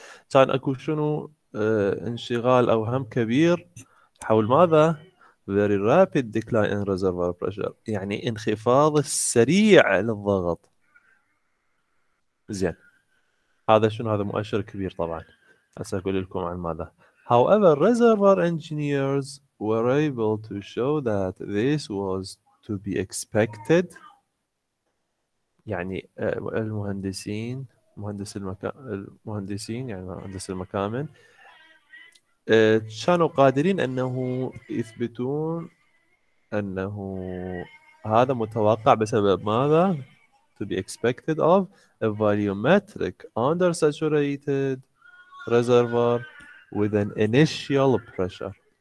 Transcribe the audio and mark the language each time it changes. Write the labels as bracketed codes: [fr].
[ar] كان أكو شنو انشغال أو هم كبير حول ماذا؟ [en] very rapid decline in reservoir pressure، [ar] يعني انخفاض سريع للضغط. زين هذا شنو؟ هذا مؤشر كبير طبعا، هسه أقول لكم عن ماذا. [en] However, reservoir engineers were able to show that this was to be expected. [ar] يعني المهندسين، مهندس المكان، المهندسين يعني مهندس المكامن، كانوا قادرين أنه يثبتون أنه هذا متوقع بسبب ماذا؟ [en] To be expected of a volumetric undersaturated reservoir with an initial pressure.